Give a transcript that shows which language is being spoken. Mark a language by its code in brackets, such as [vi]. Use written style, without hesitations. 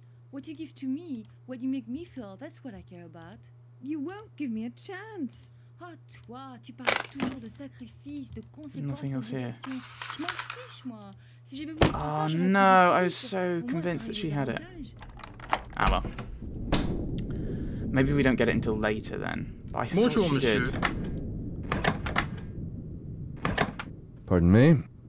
[en] What you give to me, what you make me feel, that's what I care about. You won't give me a chance. [fr] Ah, toi, tu parles toujours de sacrifice, de conséquences. [en] Nothing else here. [fr] Je m'en fiche, moi. Si j'avais voulu. [en] Oh no, I was so convinced that she had it. Ah well. Maybe we don't get it until later then. But I think she did. Pardon me?